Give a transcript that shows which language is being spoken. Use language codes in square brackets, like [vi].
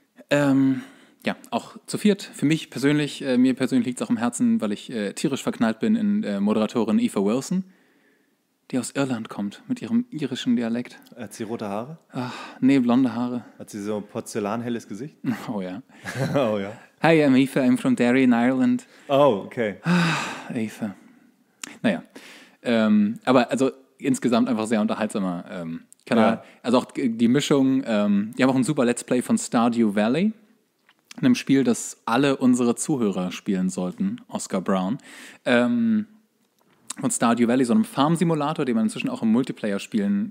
[de] Ja, auch zu viert. Für mich persönlich, mir persönlich liegt es auch am Herzen, weil ich tierisch verknallt bin in Moderatorin Aoife Wilson, die aus Irland kommt, mit ihrem irischen Dialekt. Hat sie rote Haare? Ach, nee, blonde Haare. Hat sie so ein porzellanhelles Gesicht? Oh ja. Oh ja. [en] Hi, I'm Aoife, I'm from Derry in Ireland. [de] Oh, okay. Ach, Aoife. Naja, aber also insgesamt einfach sehr unterhaltsamer Kanal. Ja. Also auch die Mischung, die haben auch ein super Let's Play von Stardew Valley. einem Spiel, das alle unsere Zuhörer spielen sollten, Oscar Brown, von Stardew Valley, so einem Farm-Simulator, den man inzwischen auch im Multiplayer spielen